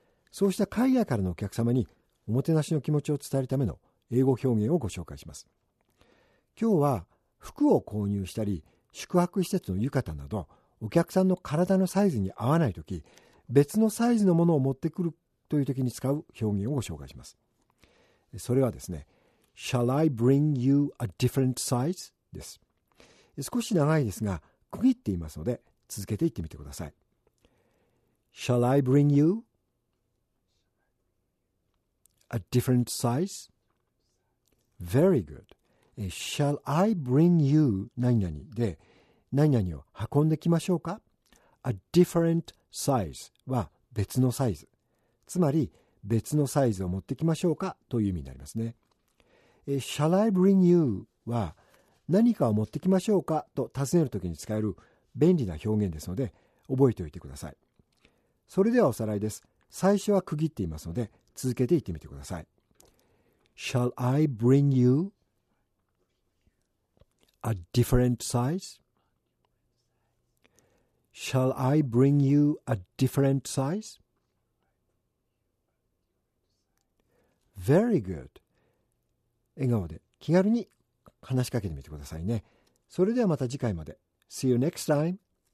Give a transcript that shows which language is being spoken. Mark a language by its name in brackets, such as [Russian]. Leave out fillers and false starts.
[Japanese] そうした海外からのお客様におもてなしの気持ちを伝えるための英語表現をご紹介します。今日は服を購入したり宿泊施設の浴衣などお客さんの体のサイズに合わないとき、別のサイズのものを持ってくるというときに使う表現をご紹介します。それはですね、 [English] Shall I bring you a different size? [Japanese] です。少し長いですが、区切っていますので、続けていってみてください。 [English] Shall I bring you a different size? Very good. Shall I bring you [Japanese] 何々で、何々を運んできましょうか? [English] A different size [Japanese] は別のサイズ。つまり、別のサイズを持ってきましょうかという意味になりますね。 [English] Shall I bring you? [Japanese] は何かを持ってきましょうかと尋ねるときに使える便利な表現ですので覚えておいてください。それではおさらいです。最初は区切っていますので続けて言ってみてください。 [English] Shall I bring you a different size? Shall I bring you a different size? Very good. [Japanese] 笑顔で気軽に話しかけてみてくださいね。それではまた次回まで。 [English] See you next time.